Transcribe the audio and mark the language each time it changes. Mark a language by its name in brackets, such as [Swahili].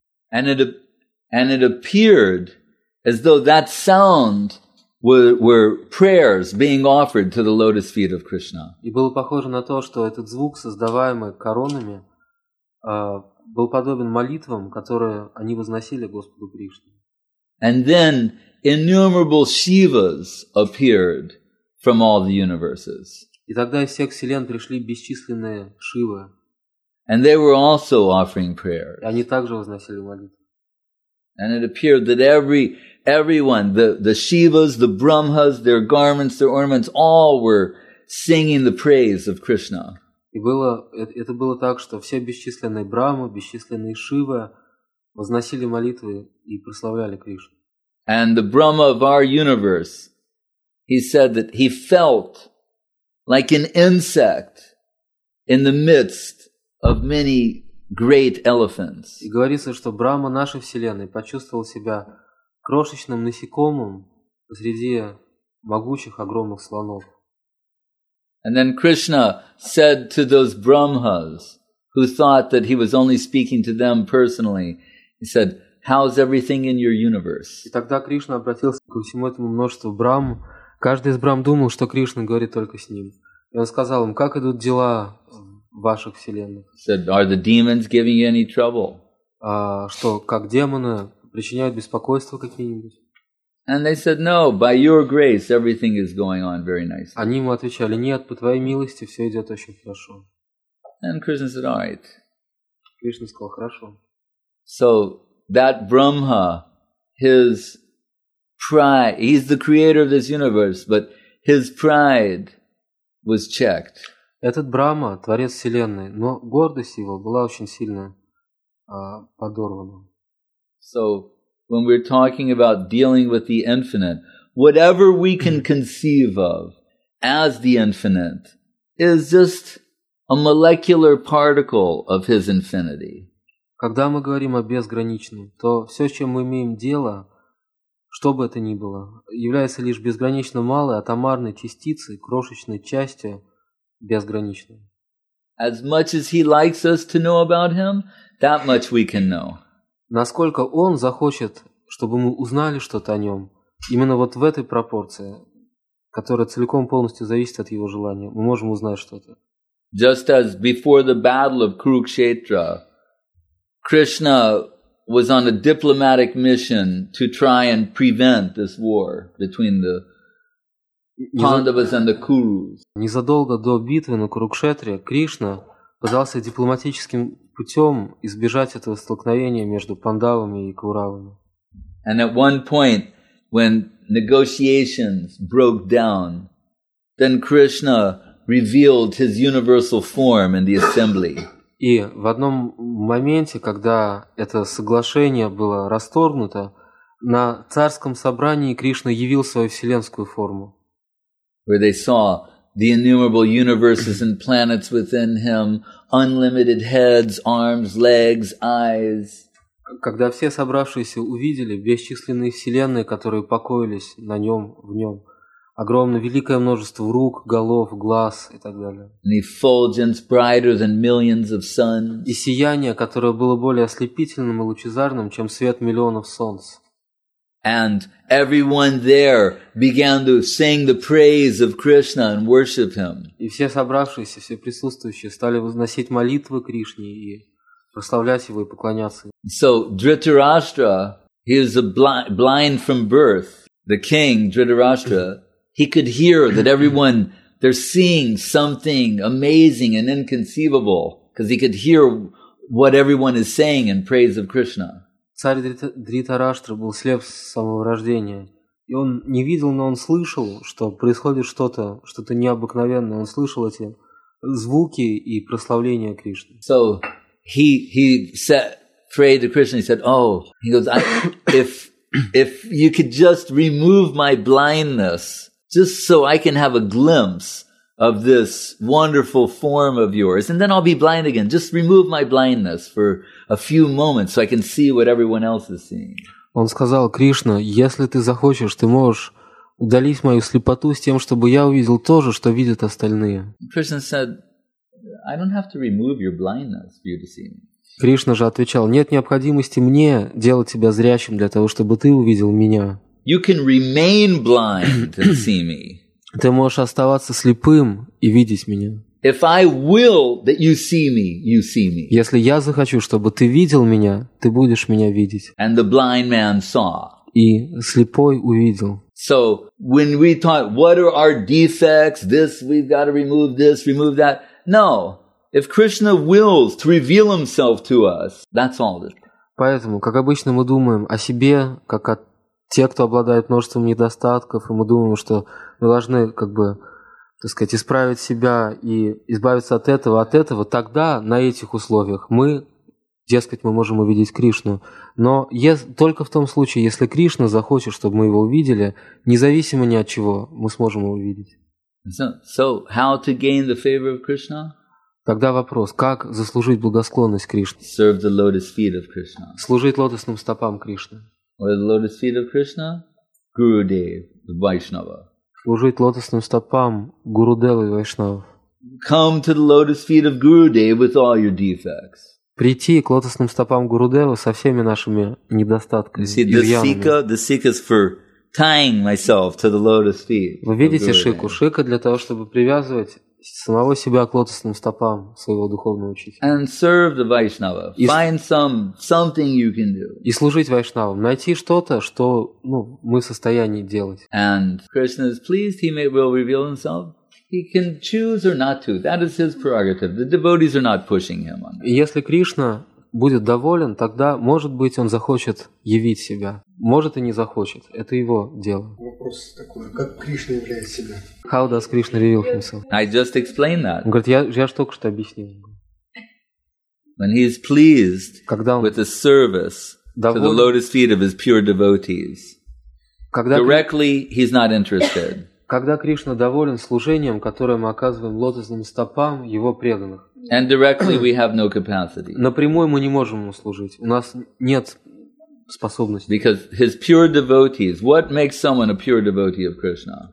[English] And it appeared as though that sound were prayers being offered to the lotus feet of Krishna. [Russian] И было похоже на то, что этот звук, создаваемый коронами, был подобен молитвам, которые они возносили Господу Кришне. [English] And then innumerable Shivas appeared from all the universes. [Russian] И тогда из всех вселен пришли бесчисленные Шивы. [English] And they were also offering prayers. [Russian] Они также возносили молитвы. [English] And it appeared that everyone, the Shivas, the Brahmas, their garments, their ornaments, all were singing the praise of Krishna. [Russian] И было, это было так, что все бесчисленные Брахмы, бесчисленные Шивы возносили молитвы и прославляли Кришну. [English] And the Brahma of our universe, he said that he felt like an insect in the midst of many great elephants. [Russian] И говорится, что Брахма нашей вселенной почувствовал себя крошечным насекомым среди могучих огромных слонов. [English] And then Krishna said to those Brahmas who thought that he was only speaking to them personally, he said, "How's everything in your universe?" [Russian] И тогда Кришна обратился ко всему этому множеству Брахм. Каждый из Брахм думал, что Кришна говорит только с ним. И он сказал им, как идут дела в ваших вселенных. [English] Said, "Are the demons giving you any trouble?" [Russian] Что, как демоны причиняют беспокойство какие-нибудь? [English] And they said, "No, by your grace, everything is going on very nicely." [Russian] Они ему отвечали: "Нет, по твоей милости все идет очень хорошо." [English] And Krishna said, "All right." [Russian] Кришна сказал: "Хорошо." [English] So that Brahma, his pride—he's the creator of this universe—but his pride was checked. [Russian] Этот Брахма, творец вселенной, но гордость его была очень сильно подорвана. [English] So. When we're talking about dealing with the infinite, whatever we can conceive of as the infinite is just a molecular particle of His infinity. [Russian] Когда мы говорим о безграничном, то все, с чем мы имеем дело, что бы это ни было, является лишь безгранично малой атомарной частицей, крошечной частью безграничной. [English] As much as He likes us to know about Him, that much we can know. [Russian] Насколько он захочет, чтобы мы узнали что-то о нем, именно вот в этой пропорции, которая целиком полностью зависит от его желания, мы можем узнать что-то. [English] Just as before the battle of Kurukshetra, Krishna was on a diplomatic mission to try and prevent this war between the Pandavas and the Kurus. [Russian] Незадолго до битвы на Курукшетре Кришна пытался дипломатическим путем избежать этого столкновения между пандавами и кауравами. [English] And at one point, when negotiations broke down, then Krishna revealed his universal form in the assembly. [Russian] И в одном моменте, когда это соглашение было расторгнуто, на царском собрании Кришна явил свою вселенскую форму. [English] Where they saw the innumerable universes and planets within him, unlimited heads, arms, legs, eyes. [Russian] Когда все собравшиеся увидели бесчисленные вселенные, которые покоились на нем, в нем, огромное великое множество рук, голов, глаз и так далее. [English] An effulgence brighter than millions of suns. [Russian] И сияние, которое было более ослепительным и лучезарным, чем свет миллионов солнц. [English] And everyone there began to sing the praise of Krishna and worship him. [Russian] И все собравшиеся, все присутствующие стали возносить молитвы Кришне и прославлять его и поклоняться. [English] So Dhritarashtra, he is a blind from birth, the king Dhritarashtra, he could hear that everyone they're seeing something amazing and inconceivable because he could hear what everyone is saying in praise of Krishna. [Russian] Царь Дритараштра был слеп с самого рождения. И он не видел, но он слышал, что происходит что-то, что-то необыкновенное. Он слышал эти звуки и прославления Кришны. [English] So he said, prayed to Krishna, he said, oh, he goes, if you could just remove my blindness, just so I can have a glimpse of this wonderful form of yours, and then I'll be blind again. Just remove my blindness for a few moments so I can see what everyone else is seeing. [Russian] Он сказал, Кришна, если ты захочешь, ты можешь удалить мою слепоту с тем, чтобы я увидел то же, что видят остальные. [English] Krishna said, I don't have to remove your blindness for you to see me. [Russian] Кришна же отвечал, нет необходимости мне делать тебя зрячим для того, чтобы ты увидел меня. [English] You can remain blind and see me. [Russian] Ты можешь оставаться слепым и видеть меня. [English] If I will that you see me, you see me. [Russian] Если я захочу, чтобы ты видел меня, ты будешь меня видеть. [English] And the blind man saw. [Russian] И слепой увидел. [English] So when we talk, what are our defects? This we've got to remove. This remove that. No, if Krishna wills to reveal himself to us, that's all. [Russian] Поэтому, как обычно, мы думаем о себе, как о те, кто обладает множеством недостатков, и мы думаем, что мы должны, как бы, так сказать, исправить себя и избавиться от этого, тогда, на этих условиях, мы, дескать, мы можем увидеть Кришну. Но только в том случае, если Кришна захочет, чтобы мы его увидели, независимо ни от чего, мы сможем его увидеть. [English] So, how to gain the favor of Krishna? [Russian] Тогда вопрос, как заслужить благосклонность Кришны? [English] Serve the lotus feet of Krishna. [Russian] Служить лотосным стопам Кришны. [English] What are the lotus feet of Krishna? Gurudev, the Vaishnava. [Russian] Служить лотосным стопам Гурудевы и Вайшнавы. [English] Come to the lotus feet of Gurudev with all your defects. [Russian] Прийти к лотосным стопам Гурудевы со всеми нашими недостатками, изъянами. [English] The sikha is for tying myself to the lotus feet. [Russian] Вы видите шику? Шика для того, чтобы привязывать самого себя к лотосным стопам своего духовного учителя. [English] And serve the Vaishnava. Find something you can do. [Russian] И служить Вайшнавам. Найти что-то, что ну, мы в состоянии делать. [English] And Krishna is pleased, he will reveal himself. He can choose or not to. That is his prerogative. The devotees are not pushing him on that. [Russian] Если Кришна будет доволен, тогда, может быть, он захочет явить себя. Может и не захочет. Это его дело. Вопрос такой. Как Кришна являет себя? [English] How does Krishna reveal himself? I just explained that. [Russian] Он говорит, я же только что объяснил. [English] When he is pleased with the service to the lotus feet of his pure devotees, directly he's not interested. [Russian] Когда Кришна доволен служением, которое мы оказываем лотосным стопам его преданных. [English] And directly we have no capacity. [Russian] Напрямую мы не можем ему служить. У нас нет способности. [English] Because his pure devotees, what makes someone a pure devotee of Krishna?